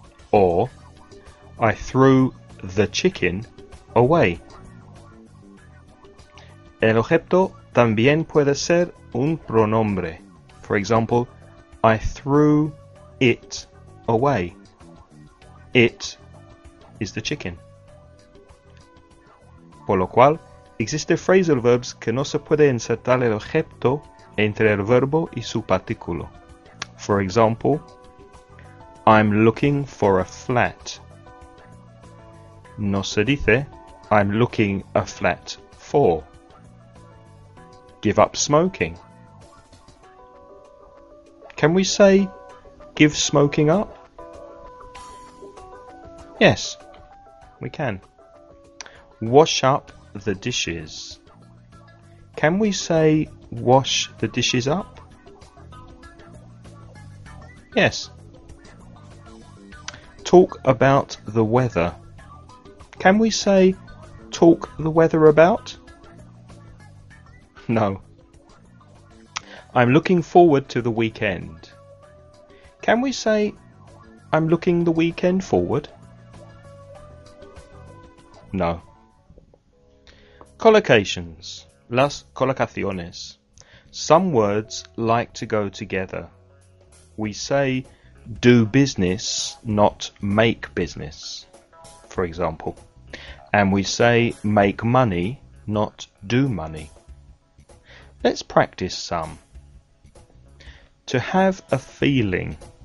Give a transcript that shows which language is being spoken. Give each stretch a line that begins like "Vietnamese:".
English: Or, I threw the chicken away.
Spanish: El objeto también puede ser un pronombre.
English: For example, I threw it away. It is the chicken.
Spanish: Por lo cual, existe phrasal verbs que no se puede insertar el objeto entre el verbo y su partículo.
English: For example, I'm looking for a flat.
Spanish: No se dice,
English: I'm looking a flat for. Give up smoking. Can we say, give smoking up? Yes, we can. wash up the dishes. Can we say wash the dishes up? Yes. Talk about the weather. Can we say talk the weather about? No. I'm looking forward to the weekend. Can we say I'm looking the weekend forward? No.
Spanish: Collocations, las colocaciones.
English: Some words like to go together. We say do business, not make business, for example. And we say make money, not do money. Let's practice some. To have a feeling.